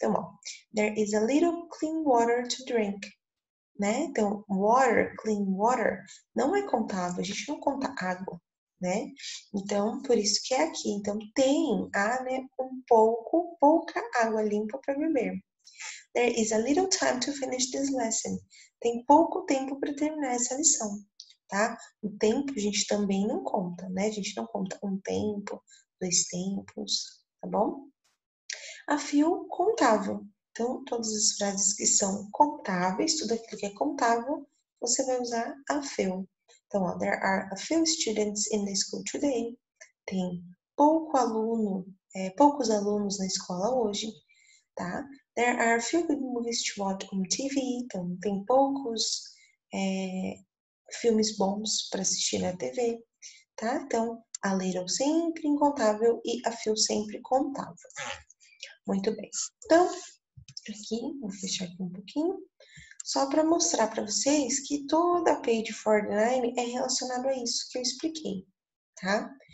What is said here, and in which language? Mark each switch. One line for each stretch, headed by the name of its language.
Portuguese: Então, ó,
English: there is a little clean water to drink, né?
Portuguese: Então, water, clean water, não é contável, a gente não conta água. Né? Então, por isso que é aqui. Então, tem né, um pouco, pouca água limpa para beber.
English: There is a little time to finish this lesson.
Portuguese: Tem pouco tempo para terminar essa lição, tá? O tempo a gente também não conta, né? A gente não conta um tempo, dois tempos, tá bom? A few contável. Então, todas as frases que são contáveis, tudo aquilo que é contável, você vai usar a few. Então, ó,
English: there are a few students in the school today.
Portuguese: Tem poucos alunos na escola hoje, tá?
English: There are a few good movies to watch on TV.
Portuguese: Então, tem poucos filmes bons para assistir na TV, tá? Então, a little sempre incontável e a few sempre contável. Muito bem. Então, aqui, vou fechar aqui um pouquinho. Só para mostrar para vocês que toda a page 49 é relacionada a isso que eu expliquei, tá?